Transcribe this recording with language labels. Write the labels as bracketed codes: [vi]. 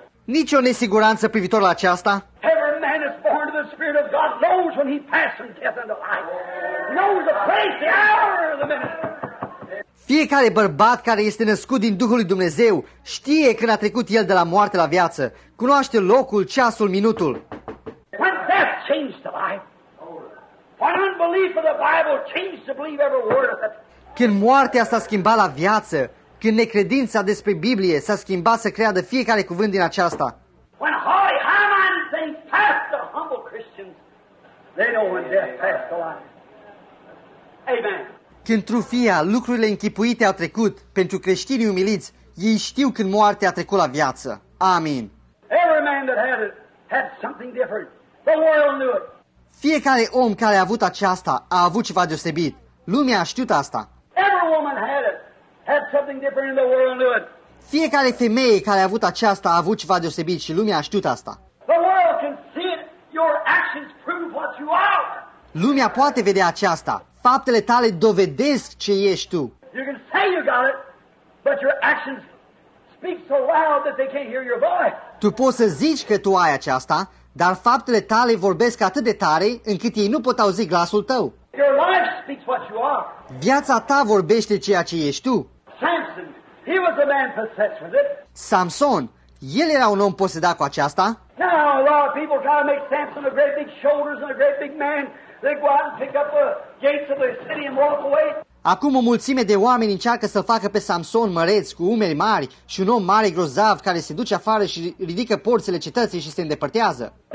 [ro] Nici o nesiguranță privitor la aceasta. [en] Every man is born to the Spirit of God, knows when he passes from death into life. Knows the place, the hour, the minute. [ro] Fiecare bărbat care este născut din Duhul lui Dumnezeu știe când a trecut el de la moarte la viață. Cunoaște locul, ceasul, minutul. [en] When death changed the life, when unbelief of the Bible changed to believe every word of it. [ro] Când moartea s-a schimbat la viață, când necredința despre Biblie s-a schimbat să creadă fiecare cuvânt din aceasta. [en] When holy Haman thinks past the humble Christians, they know when death passed the line. Amen. [ro] Când trufia, lucrurile închipuite au trecut, pentru creștinii umiliți, ei știu când moartea a trecut la viață. Amin. [en] Every man that had it had something different. The world knew it. [ro] Fiecare om care a avut aceasta a avut ceva deosebit. Lumea a știut asta. [en] Every woman had it had something different. The world knew it. [ro] Fiecare femeie care a avut aceasta a avut ceva deosebit și lumea a știut asta. [en] The world can see it. Your actions prove what you are. [ro] Lumea poate vedea aceasta. Faptele tale dovedesc ce ești tu. [en] You can say you got it, but your actions speak so loud that they can't hear your voice. [ro] Tu poți să zici că tu ai aceasta, dar faptele tale vorbesc atât de tare încât ei nu pot auzi glasul tău. [en] Your life speaks what you are. [ro] Viața ta vorbește ceea ce ești tu. [en] Samson, he was a man possessed with it. [ro] Samson, el era un om posedat cu aceasta. [en] Now a lot of people try to make Samson a great big shoulders and a great big man. They go out and pick up the gates of the city and walk away. [ro] Acum o mulțime de oameni încearcă să facă pe Samson măreț, cu umeri mari și un om mare grozav care se duce afară și ridică porțile cetății și se îndepărtează.